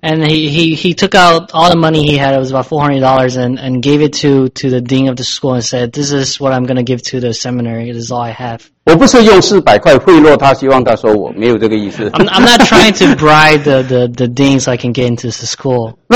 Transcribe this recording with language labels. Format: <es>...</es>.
<en>And he took out all the money he had, it was about $400, and gave it to the dean of the school and said, this is what I'm going to give to the seminary, it is all I have.</en> <zh>我不是用400块贿赂他，希望他说我，没有这个意思。</zh> <en>I'm not trying to bribe the dean so I can get into the school.</en>